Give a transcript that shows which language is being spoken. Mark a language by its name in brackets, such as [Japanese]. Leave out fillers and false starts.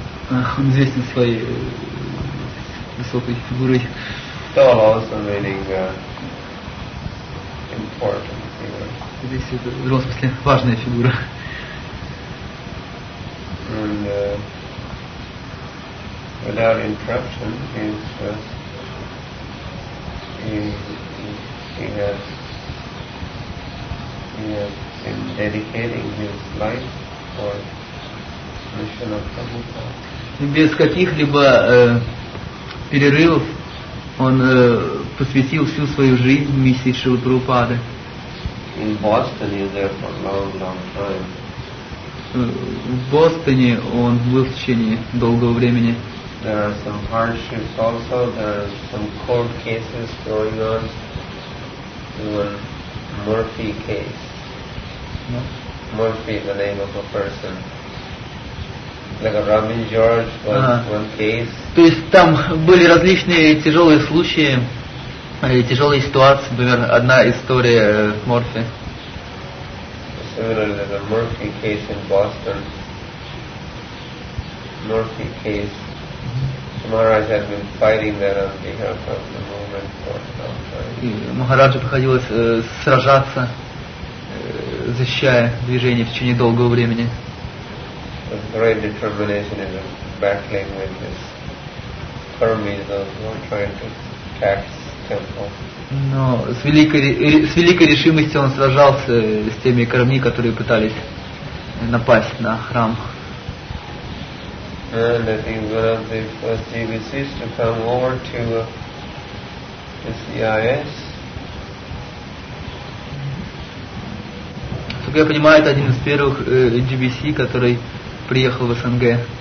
[Russian] Он известен своей высокой фигурой. [English] Tall also meaning important figure. [Russian] Здесь это в другом смысле важная фигура. [English] And without interruption, he's he has been dedicating his life for mission of Prabhupada. [Russian] Без каких-либо перерывов. Он посвятил всю свою жизнь миссии Шрилы Прабхупады. [English] In Boston, he was there for a long, long time. [Russian] В Бостоне он был в течение долгого времени. [English] There are some hardships also. There are some court cases going on. Even Murphy case. Murphy, the name of a person. Like a Robin George, one case. [Russian] То есть там были различные тяжелые случаи, тяжелые ситуации, например, одна история Морфи. [English] Similarly, the Murphy case in Boston. Murphy case. Maharaj had been fighting that on behalf of the movement for some time. [Russian] Maharaj приходилось сражаться, защищая движение в течение долгого времени. [English] With great determination in battling with this hermes of trying to tax temple. [Russian] Но с великой решимостью он сражался с теми корми, которые пытались напасть на храм. [English] And I think one of the first DVCs to come over to the CIS. [Russian] Сколько я понимаю, это один из первых DVC, который приехал в СНГ.